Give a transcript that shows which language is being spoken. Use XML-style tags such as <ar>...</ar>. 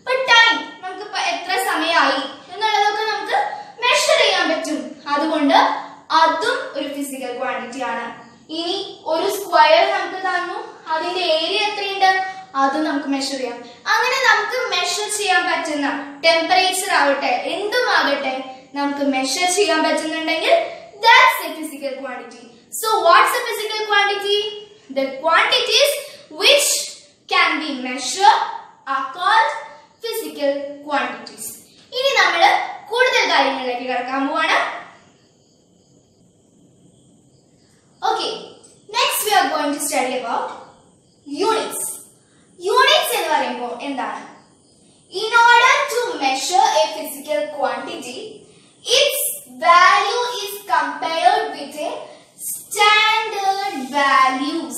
<ml>Time, നമുക്ക് എത്ര സമയമായി എന്നുള്ളതൊക്കെ നമുക്ക് മെഷർ ചെയ്യാൻ പറ്റും, അതുകൊണ്ട് അതും ഒരു ഫിസിക്കൽ ക്വാണ്ടിറ്റി ആണ്. ഇനി ഒരു സ്ക്വയർ നമുക്ക് തന്നു, അതിന്റെ ഏരിയ എത്രയുണ്ട്, അതും നമുക്ക് മെഷർ ചെയ്യാം. അങ്ങനെ നമുക്ക് മെഷർ ചെയ്യാൻ പറ്റുന്ന ടെമ്പറേച്ചർ ആവട്ടെ, എന്തും ആകട്ടെ, നമുക്ക് മെഷർ ചെയ്യാൻ പറ്റുന്നുണ്ടെങ്കിൽ</ml> <en>That's a physical quantity. So what's a physical quantity? The quantities which can be measured are called physical quantities.</en> <ml>ഇനി നമ്മൾ കൂടുതൽ കാര്യങ്ങളിലേക്ക് കടക്കാൻ പോവാണ്.</ml> <en>Okay, next we are going to study about units.</en> <ml>Units എന്ന് പറയുമ്പോൾ എന്താണ്?</ml> <en>In order to measure a physical quantity, its value is compared with a standard value.</en>